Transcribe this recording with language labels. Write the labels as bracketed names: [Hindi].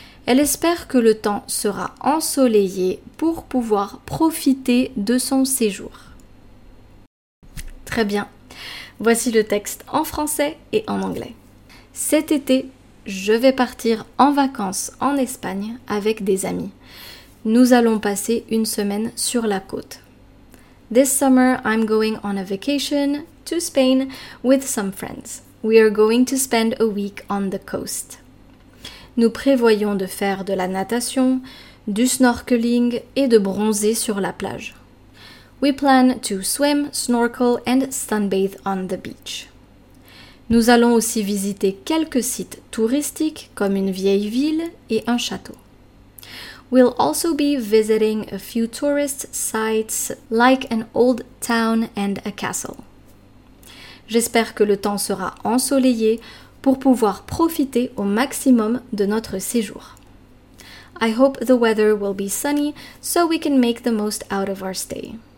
[French] Elle espère que le temps sera ensoleillé pour pouvoir profiter de son séjour. Très bien. Voici le texte en français et en anglais. Cet été, je vais partir en vacances en Espagne avec des amis. Nous allons passer une semaine sur la côte. [English] This summer, I'm going on a vacation to Spain with some friends. We are going to spend a week on the coast. [French] Nous prévoyons de faire de la natation, du snorkeling et de bronzer sur la plage. [English] We plan to swim, snorkel and sunbathe on the beach. [French] Nous allons aussi visiter quelques sites touristiques comme une vieille ville et un château. [English] We'll also be visiting a few tourist sites like an old town and a castle. [French] J'espère que le temps sera ensoleillé pour pouvoir profiter au maximum de notre séjour. [English] I hope the weather will be sunny so we can make the most out of our stay.